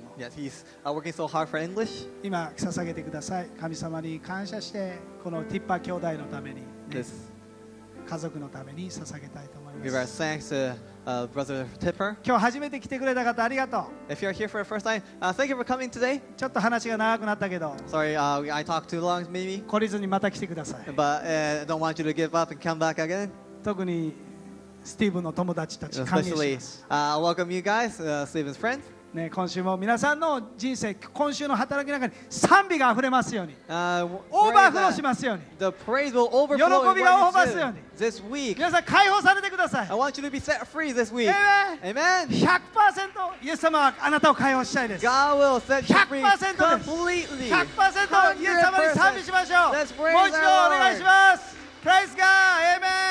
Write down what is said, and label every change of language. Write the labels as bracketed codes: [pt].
[en] Yes, he's working so hard for English. [ja] 今捧げてください。神様に感謝してこのティッパー兄弟のために、ね、家族のために捧げたいと思います。 [en] Give our thanks to Brother Tipper. [ja] 今日初めて来てくれた方ありがとう。 [en] If you're here for the first time, thank you for coming today. [ja] ちょっと話が長くなったけど。 [en] Sorry, I talked too long, maybe. [ja] 懲りずにまた来てください。 [en] But I don't want you to give up and come back again. [ja] 特にスティーブの友達たち歓迎します。 [en] Especially, welcome you guys, Stephen's friends. [ja] ね、今週も皆さんの人生、今週の働きの中に賛美が溢れますように。オーバーフローしますように。 [en] The praise will overflow in what you do. [ja] 喜びがオーバーするように。 [en] This week. [ja] 皆さん解放されてください。 [en] I want you to be set free this week. Amen. [ja] 100% イエス様はあなたを解放したいです。 [en] God will set you free completely. [ja] 100% イエス様に賛美しましょう。 [en] Let's praise the Lord. [ja] もう一度お願いします。 [en] Praise God. Amen.